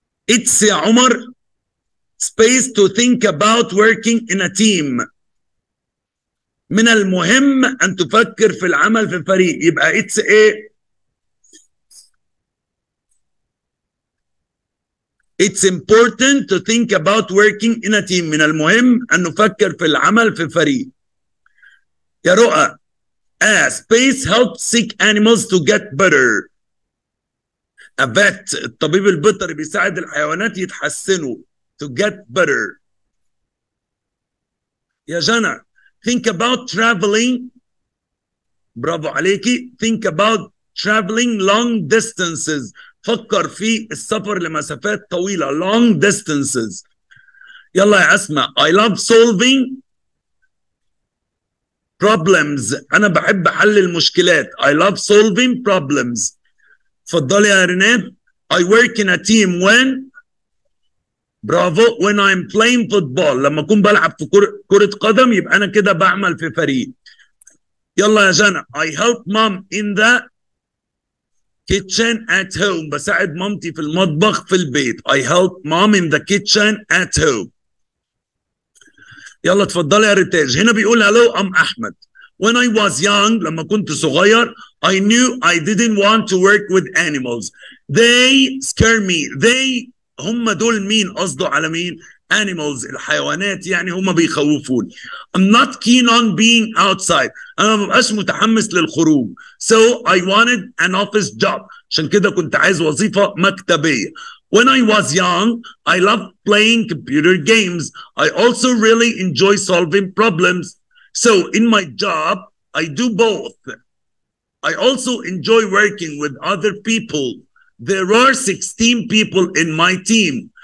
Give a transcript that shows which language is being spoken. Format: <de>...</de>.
<en>It's يا عمر space to think about working in a team.</en> <ar>من المهم أن تفكر في العمل في فريق.</ar> <en>يبقى it's a It's important to think about working in a team.</en> <ar>من المهم أن نفكر في العمل في فريق.</ar> <en>يا رؤى. Space helps sick animals to get better. A vet.</en> <ar>الطبيب البيطري بيساعد الحيوانات يتحسنوا.</ar> <en>To get better.</en> <ar>يا جنى.</ar> <en>Think about traveling.</en> <ar>برافو عليكي.</ar> <en>Think about traveling long distances.</en> <ar>فكر في السفر لمسافات طويلة</ar> <en>long distances. يلا يا أسماء. I love solving problems.</en> <ar>أنا بحب حل المشكلات.</ar> <en>I love solving problems. فضلي يا رينيه. I work in a team when bravo. When I'm playing football.</en> <ar>لما أكون بلعب في كرة قدم يبقى أنا كده بعمل في فريق. يلا يا جنى.</ar> <en>I help mom in the kitchen at home.</en> <ar>بساعد مامتي في المطبخ في البيت.</ar> <en>I help mom in the kitchen at home.</en> <ar>يلا تفضل يا ريتاج. هنا بيقول</ar> <en>hello I'm</en> <ar>أحمد.</ar> <en>When I was young.</en> <ar>لما كنت صغير.</ar> <en>I knew I didn't want to work with animals. They scare me. They</en> <ar>هم دول مين قصدوا على مين. Animals الحيوانات يعني هم بيخوفون.</ar> <en>I'm not keen on being outside.</en> <ar>أنا مبقاش متحمس للخروج.</ar> <en>So I wanted an office job.</en> <ar>عشان كده كنت عايز وظيفة مكتبية.</ar> <en>When I was young, I loved playing computer games. I also really enjoy solving problems. So in my job, I do both. I also enjoy working with other people. There are 16 people in my team.</en>